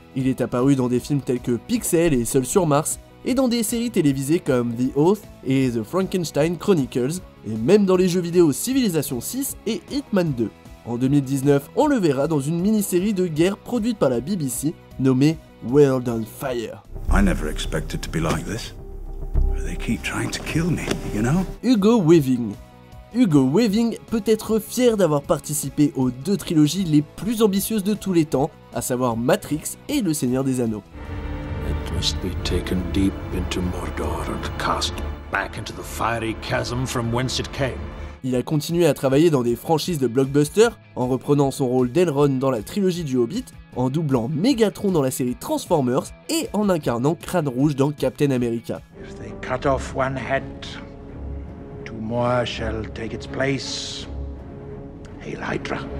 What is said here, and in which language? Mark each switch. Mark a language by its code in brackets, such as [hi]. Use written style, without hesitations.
[fr] Il est apparu dans des films tels que Pixel et Seul sur Mars, et dans des séries télévisées comme The Oath et The Frankenstein Chronicles, et même dans les jeux vidéo Civilization 6 et Hitman 2. En 2019, on le verra dans une mini-série de guerre produite par la BBC nommée World on Fire. [en] I never expected to be like this. They keep trying to kill me, you know? Hugo Weaving. [fr] Hugo Weaving peut être fier d'avoir participé aux deux trilogies les plus ambitieuses de tous les temps, à savoir Matrix et Le Seigneur des Anneaux. [en] Must be taken deep into Mordor and cast back into the fiery chasm from whence it came. [fr] Il a continué à travailler dans des franchises de blockbusters, en reprenant son rôle d'Elrond dans la trilogie du Hobbit, en doublant Megatron dans la série Transformers et en incarnant Crâne Rouge dans Captain America. [en] If they cut off one head, two more shall take its place. Hail Hydra.